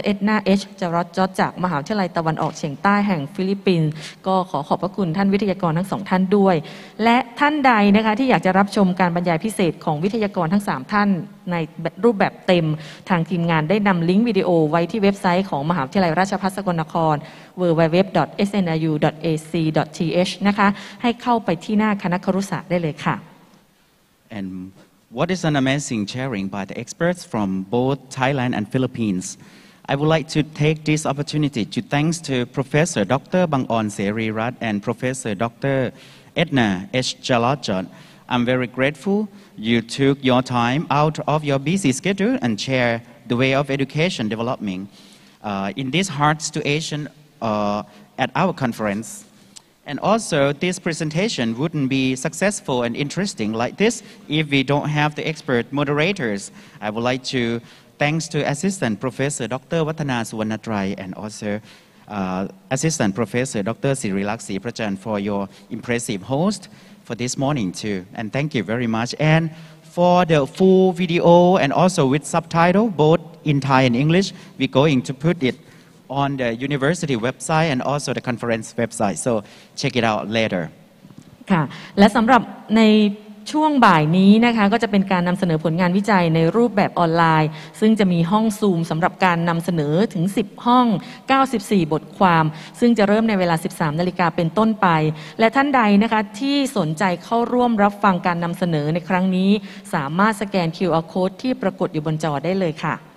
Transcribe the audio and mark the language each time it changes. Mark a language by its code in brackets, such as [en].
[th] เอ็ดนาเอชจารอตจอดจากมหาวิทยาลัยตะวันออกเฉียงใต้แห่งฟิลิปปินส์ก็ขอขอบพระคุณท่านวิทยากรทั้งสองท่านด้วยและท่านใดนะคะที่อยากจะรับชมการบรรยายพิเศษของวิทยากรทั้งสามท่านในรูปแบบเต็มทางทีมงานได้นำลิงก์วิดีโอไว้ที่เว็บไซต์ของมหาวิทยาลัยราชภัฏสกลนคร www.snu.ac.th นะคะให้เข้าไปที่หน้าคณะครุศาสตร์ได้เลยค่ะ [en] andWhat is an amazing sharing by the experts from both Thailand and Philippines. I would like to take this opportunity to thanks to Professor Dr. Bang On Serirat and Professor Dr. Edna H. Jalajot. I'm very grateful you took your time out of your busy schedule and share the way of education developing in these hearts to Asian at our conference. And also, this presentation wouldn't be successful and interesting like this if we don't have the expert moderators. I would like to thanks to Assistant Professor Dr. Watthana Suvannathrai and also Assistant Professor Dr. Sirilakshi Prachan for your impressive host for this morning too. And thank you very much. And for the full video and also with subtitle, both in Thai and English, we're going to put itOn the university website and also the conference website, so check it out later. [th] ค่ะและสำหรับใน ช่วงบ่ายนี้นะคะก็จะเป็นการนำเสนอผลงานวิจัยในรูปแบบออนไลน์ซึ่งจะมีห้องซูมสำหรับการนำเสนอถึง10ห้อง94บทความซึ่งจะเริ่มในเวลา 13:00 นเป็นต้นไปและท่านใดนะคะที่สนใจเข้าร่วมรับฟังการนำเสนอในครั้งนี้สามารถสแกน QR Code ที่ปรากฏอยู่บนจอได้เลยค่ะ